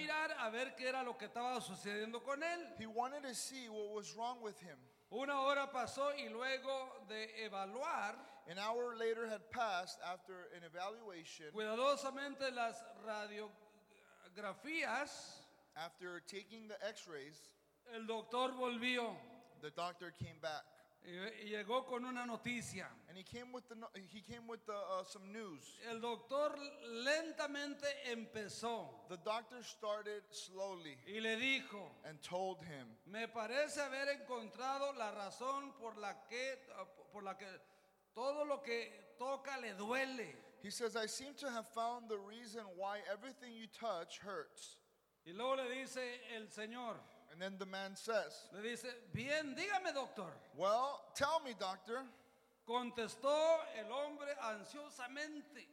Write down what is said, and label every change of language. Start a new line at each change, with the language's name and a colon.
Spanish: Mirar a ver qué era lo que estaba sucediendo con él.
English: He wanted to see what was wrong with him.
Spanish: Una hora pasó y luego de evaluar,
English: an hour later had passed after an evaluation,
Spanish: cuidadosamente las radiografías,
English: after taking the x-rays,
Spanish: el doctor volvió.
English: The doctor came back.
Spanish: Y llegó con una noticia.
English: And he came with some news.
Spanish: El doctor lentamente empezó.
English: The doctor started slowly.
Spanish: Y le dijo.
English: And told him.
Spanish: Me parece haber encontrado la razón por la que todo lo que toca le duele.
English: He says, I seem to have found the reason why everything you touch hurts.
Spanish: Y luego le dice el señor.
English: And then the man says,
Spanish: le dice, bien, dígame, doctor.
English: Well, tell me, doctor.
Spanish: Contestó el hombre ansiosamente.